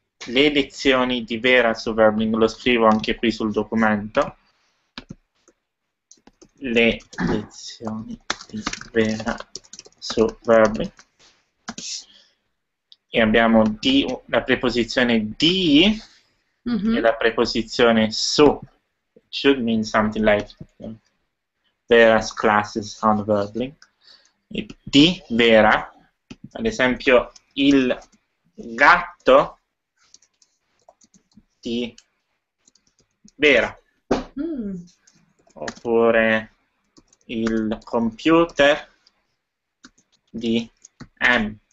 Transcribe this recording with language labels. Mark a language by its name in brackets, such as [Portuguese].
[Italian] Le lezioni di Vera su Verbly, lo scrivo anche qui sul documento. Le lezioni di Vera su Verbly. E abbiamo di, la preposizione di e la preposizione su. [English] It should mean something like Vera's classes on Verbly. [Italian] Di Vera, ad esempio, il gatto di Vera. Oppure il computer di M.